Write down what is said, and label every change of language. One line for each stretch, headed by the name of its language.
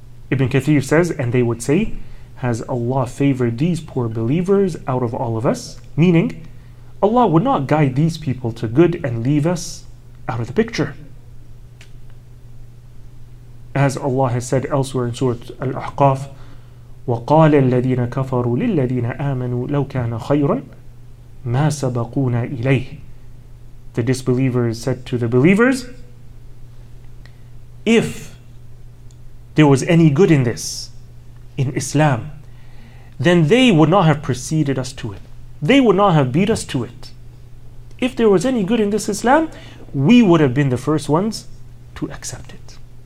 English: Ibn Kathir says, and they would say, has Allah favored these poor believers out of all of us? Meaning, Allah would not guide these people to good and leave us out of the picture. As Allah has said elsewhere in Surah Al-Ahqaf,
Arabic: وَقَالَ الَّذِينَ كَفَرُوا لِلَّذِينَ آمَنُوا لَوْ كَانَ خَيْرًا مَا سَبَقُونَ إِلَيْهِ.
English: The disbelievers said to the believers, if there was any good in this, in Islam, then they would not have preceded us to it. They would not have beat us to it. If there was any good in this Islam, we would have been the first ones to accept it.